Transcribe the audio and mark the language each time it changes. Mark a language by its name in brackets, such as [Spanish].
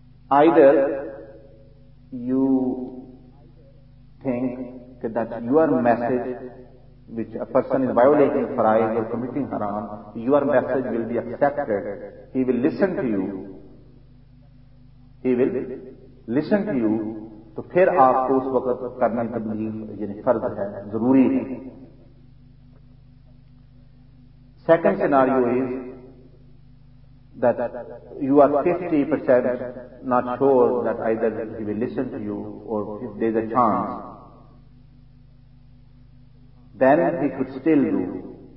[English] Either you think that your message, which a person is violating faraid or committing haram, your message will be accepted. He will listen to you. He will listen to you, [Urdu] تو پھر آپ کو اس وقت کرنا تبلیغ یعنی فرض ہے, ضروری ہے. [English] Second scenario is that you are 50% not sure that either he will listen to you or if there is a chance, then he could still do.